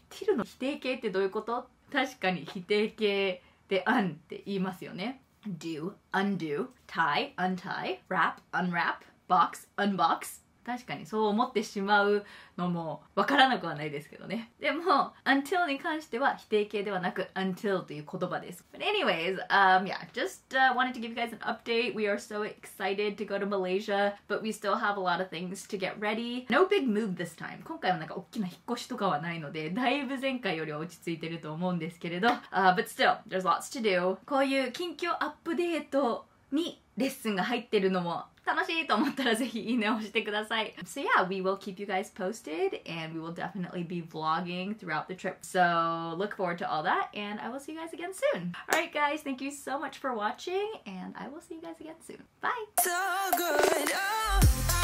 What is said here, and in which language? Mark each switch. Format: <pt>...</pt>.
<ja>till の否定形ってどういうこと？確かに否定形で an って言いますよね。</ja> <en>do, undo, tie, untie, wrap, unwrap, box, unbox。</en> <ja>確かにそう思ってしまうのもわからなくはないですけどね。でも until に関しては否定形ではなく until という言葉です。</ja> <en>But anyways, wanted to give you guys an update. We are so excited to go to Malaysia, but we still have a lot of things to get ready. No big move this time.</en> <ja>今回はなんか大きな引っ越しとかはないので、だいぶ前回よりは落ち着いてると思うんですけれど、</ja> <en>but still, there's lots to do.</en> <ja>こういう近況アップデートにレッスンが入ってるのも楽しいと思ったらぜひいいねを押してください。</ja> <en>So yeah, we will keep you guys posted and we will definitely be vlogging throughout the trip. So look forward to all that and I will see you guys again soon. Alright guys, thank you so much for watching and I will see you guys again soon. Bye! So good, oh.</en>